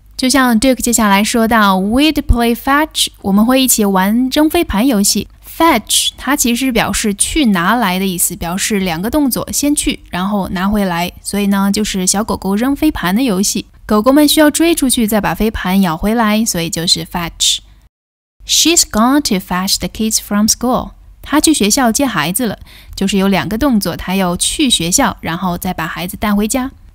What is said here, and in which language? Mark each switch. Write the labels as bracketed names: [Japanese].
[Chinese] 就像 Duke 接下来说到 [English] We'd play fetch, [Chinese] 我们会一起玩扔飞盘游戏。 Fetch, 它其实表示去拿来的意思，表示两个动作，先去，然后拿回来。所以呢，就是小狗狗扔飞盘的游戏。狗狗们需要追出去，再把飞盘咬回来，所以就是 fetch. [English] She's gone to fetch the kids from school. [Chinese] 他去学校接孩子了，就是有两个动作，他要去学校，然后再把孩子带回家。